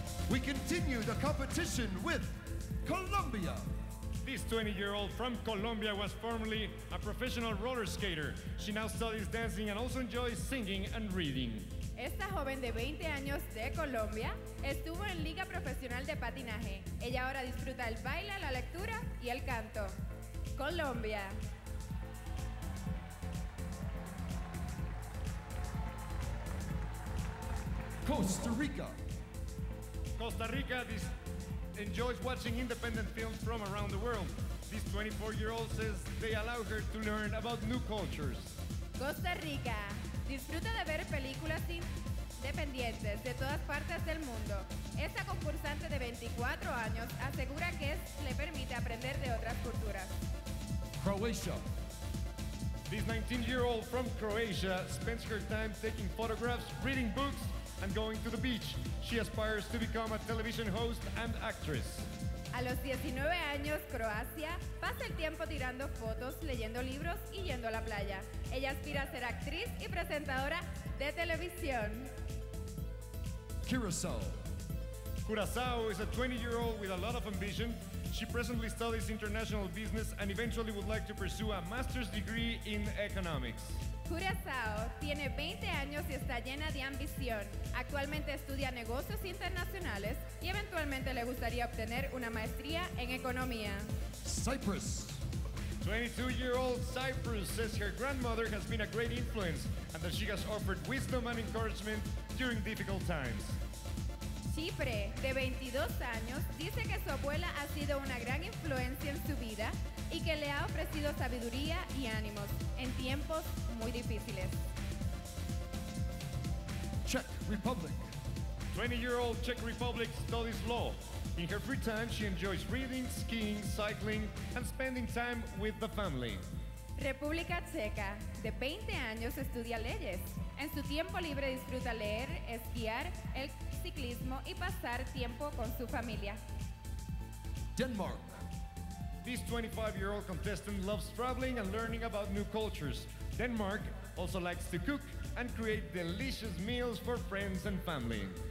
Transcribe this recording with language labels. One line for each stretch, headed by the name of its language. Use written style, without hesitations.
English: We continue the competition with Colombia. This 20-year-old from Colombia was formerly a professional roller skater. She now studies dancing and also enjoys singing and reading.
Spanish: Esta joven de 20 años de Colombia estuvo en Liga Profesional de Patinaje. Ella ahora disfruta el baile, la lectura y el canto.
English: Colombia. Costa Rica. Costa Rica enjoys watching independent films from around the world. This 24-year-old says they allow her to learn about new cultures. Costa Rica.
Spanish: Disfruta de ver películas independientes de todas partes del mundo. Esta concursante de 24 años asegura que le permite aprender de otras culturas.
English: Croatia. This 19-year-old from Croatia spends her time taking photographs, reading books, and going to the beach. She aspires to become a television host and actress.
Spanish: A los 19 años, Croacia pasa el tiempo tirando fotos, leyendo libros y yendo a la playa. Ella aspira a ser actriz y presentadora de televisión.
English: Curaçao. Curaçao is a 20-year-old with a lot of ambition. She presently studies international business and eventually would like to pursue a master's degree in economics.
Spanish: Curaçao tiene 20 años y está llena de ambición. Actualmente estudia negocios internacionales y eventualmente le gustaría obtener una maestría en economía.
English: Cyprus. 22-year-old Cyprus says her grandmother has been a great influence and that she has offered wisdom and encouragement during difficult times.
Spanish: Chipre, de 22 años, dice que su abuela ha sido una gran influencia en su vida y que le ha ofrecido sabiduría y ánimos en tiempos muy difíciles.
English: Czech Republic. 20-year-old Czech Republic studies law. In her free time, she enjoys reading, skiing, cycling, and spending time with the family.
Spanish: República Checa, de 20 años, estudia leyes. En su tiempo libre disfruta leer, esquiar, el ciclismo y pasar tiempo con su familia.
English: Denmark. This 25-year-old contestant loves traveling and learning about new cultures. Denmark also likes to cook and create delicious meals for friends and family.